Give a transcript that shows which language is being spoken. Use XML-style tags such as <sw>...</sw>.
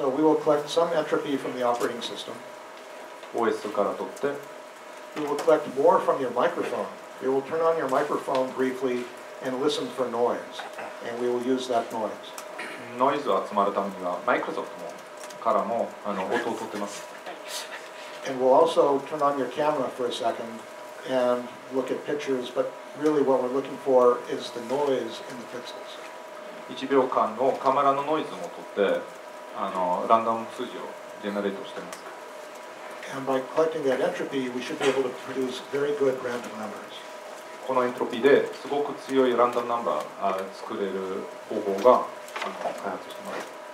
<en>So we will collect some entropy from the operating system.</en> <ja>OS から取って。</ja> <en>We will collect more from your microphone. We will turn on your microphone briefly and listen for noise. And we will use that noise.</en> <ja>ノイズを集まるためにはマイクロソフトからも音を取ってます。</ja> <en>And we'll also turn on your camera for a second and look at pictures, but really what we're looking for is the noise in the pixels.</en> <ja>1秒間のカメラのノイズも取って、ランダム数字をジェネレートしてます。</ja> <en>And by collecting that entropy, we should be able to produce very good random numbers.</en> <ja>このエントロピーですごく強いランダムナンバーを作れる方法が開発しています。</ja>